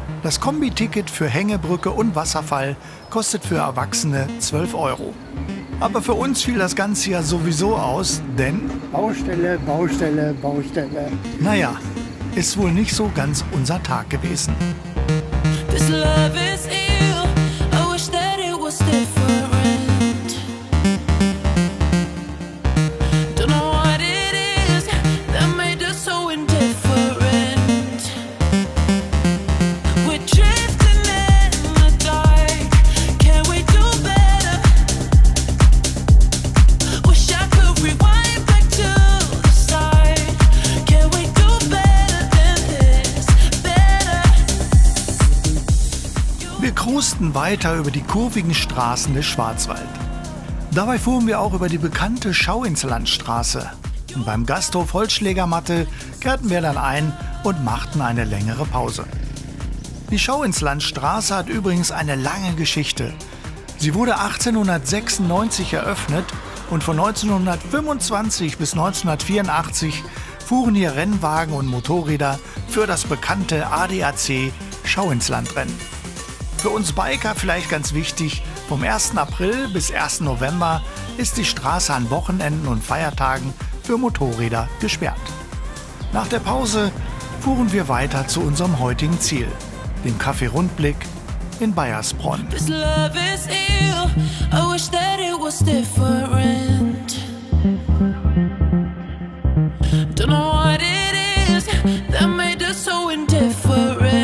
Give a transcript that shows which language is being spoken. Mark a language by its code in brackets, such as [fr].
[de] Das Kombiticket für Hängebrücke und Wasserfall kostet für Erwachsene 12 Euro. Aber für uns fiel das Ganze ja sowieso aus, denn... Baustelle, Baustelle, Baustelle. Naja, ist wohl nicht so ganz unser Tag gewesen. [en] This love is ill. I wish that it was different. Don't know what it is that made us so indifferent. We're drifting in the dark. Can we do better? Wish I could rewind back to the start. Can we do better than this? Better. [de] Wir cruisten weiter über die kurvigen Straßen des Schwarzwalds. Dabei fuhren wir auch über die bekannte Schauinslandstraße. Und beim Gasthof Holzschlägermatte kehrten wir dann ein und machten eine längere Pause. Die Schauinslandstraße hat übrigens eine lange Geschichte. Sie wurde 1896 eröffnet und von 1925 bis 1984 fuhren hier Rennwagen und Motorräder für das bekannte ADAC Schauinslandrennen. Für uns Biker vielleicht ganz wichtig, vom 1. April bis 1. November ist die Straße an Wochenenden und Feiertagen für Motorräder gesperrt. Nach der Pause fuhren wir weiter zu unserem heutigen Ziel, dem Kaffee-Rundblick in Baiersbronn. [en] This love is ill. I wish that it was different. Don't know what it is that made us so indifferent.